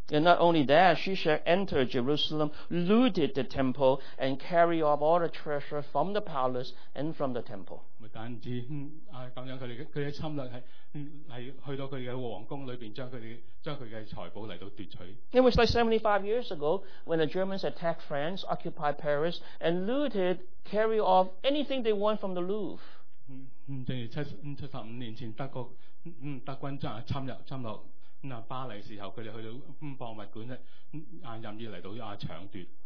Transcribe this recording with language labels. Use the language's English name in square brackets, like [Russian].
[English] And not only that, Shishak entered Jerusalem, looted the temple, and carried off all the treasure from the palace and from the temple. [Chinese] 不单止这样,他的侵略是去到他的皇宫里面,将他的财宝来到夺取。 [English] It was like 75 years ago when the Germans attacked France, occupied Paris, and looted, carried off anything they want from the Louvre. [Chinese] 正如75年前德军侵入巴黎时候,他们去到博物馆,任意来到抢夺。